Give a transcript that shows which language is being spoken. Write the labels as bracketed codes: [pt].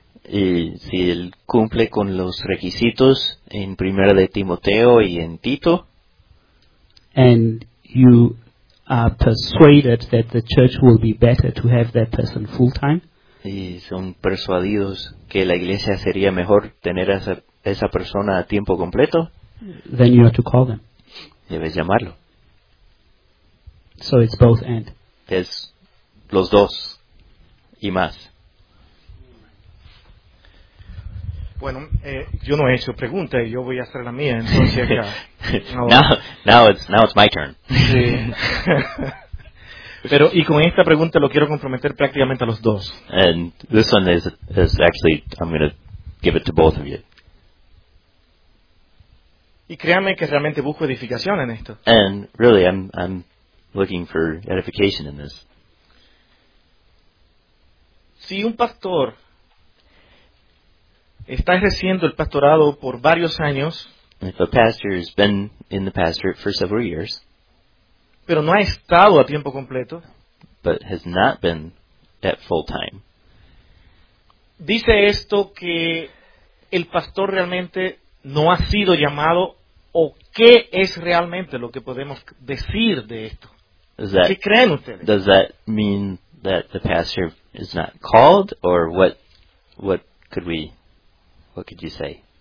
[es] Y si él cumple con los requisitos en 1 de Timoteo y en Tito, [en] and you are persuaded that the church will be better to have that person full time, [es] y son persuadidos que la iglesia sería mejor tener a esa persona a tiempo completo, [en] then you are to call them. [es] Debes llamarlo. [en] So it's both and. [es] Es los dos y más. Bueno, yo no he hecho pregunta, yo voy a hacer la mía, entonces acá. [en] Now it's my turn. [es] Sí. Pero y con esta pregunta lo quiero comprometer prácticamente a los dos. [en] And this one is actually I'm going to give it to both of you. [es] Y créame que realmente busco edificación en esto. [en] And really, I'm looking for edification in this. [es] Si un pastor está ejerciendo el pastorado por varios años, [en] if a pastor has been in the pastorate for several years, [es] pero no ha estado a tiempo completo, [en] but has not been at full time, [es] dice esto que el pastor realmente no ha sido llamado. ¿O qué es realmente lo que podemos decir de esto? [en] That, [es] ¿qué creen ustedes? [en] Does that mean that the pastor is not called, or what could you say?